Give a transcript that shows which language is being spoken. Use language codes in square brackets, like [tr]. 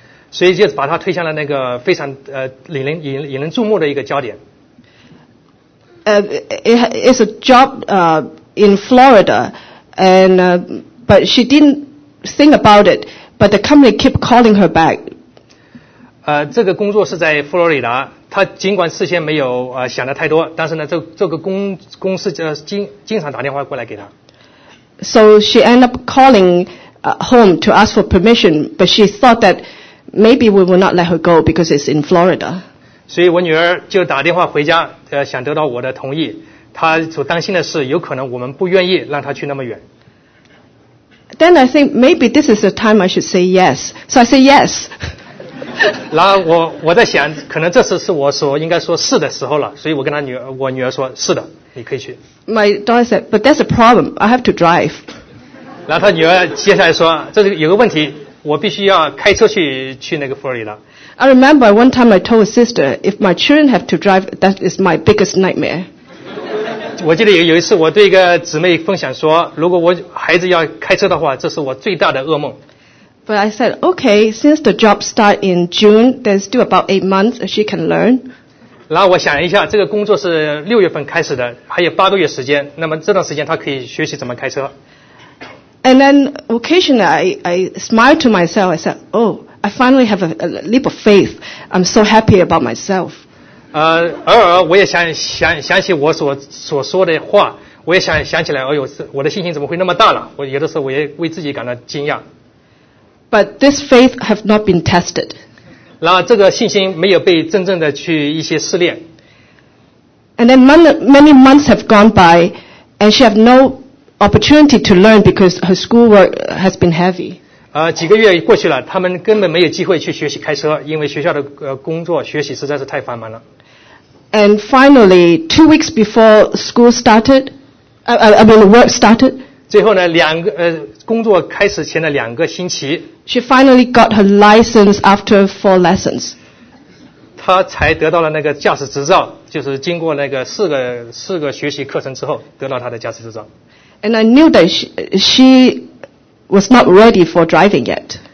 [zh] 所以就把她推向了那个非常引人注目的一个焦点。 [en] It's a job in Florida, and but she didn't think about it. But the company kept calling her back. [zh] 这个工作是在佛罗里达，她尽管事先没有想的太多，但是呢，这个公司经常打电话过来给她。 [en] So she ended up calling home to ask for permission, but she thought that maybe we will not let her go because it's in Florida. [zh] 所以我女儿就打电话回家，想得到我的同意。他所担心的是有可能我们不愿意让他去那么远。 [en] Then I think maybe this is the time I should say yes. So I say yes. [zh] 然后我在想，可能这次是我所应该说是的时候了，所以我跟我女儿说，是的，你可以去。 [en] My daughter said, but that's a problem. I have to drive. [zh] 然后她女儿接下来说，这是有个问题，我必须要开车去那个佛罗里达。 [en] I remember one time I told a sister, if my children have to drive, that is my biggest nightmare. [zh] 我记得有一次我对一个姊妹分享说，如果我孩子要开车的话，这是我最大的噩梦。 [en] But I said, okay, since the job start in June, there's still about 8 months, she can learn. [zh] 然后我想一下，这个工作是六月份开始的，还有八个月时间，那么这段时间她可以学习怎么开车。 [en] And then occasionally I smiled to myself, I said, oh, I finally have a leap of faith, I'm so happy about myself. [zh] 偶尔我也想起我所说的话，我也想起来，哎呦，我的信心怎么会那么大了，我有的时候我也为自己感到惊讶。 [en] But this faith has not been tested. [zh] 然后这个信心没有被真正的去一些试炼。 [en] And then many months have gone by, and she has no opportunity to learn because her schoolwork has been heavy. [zh] 几个月过去了，他们根本没有机会去学习开车，因为学校的工作学习实在是太繁忙了。 [en] And finally, 2 weeks before school started, work started. [zh] 最后呢，工作开始前的两个星期。 [en] She finally got her license after 4 lessons. [zh] 她才得到了那个驾驶执照，就是经过那个四个学习课程之后得到她的驾驶执照。 [en] And I knew that she was not ready for driving yet.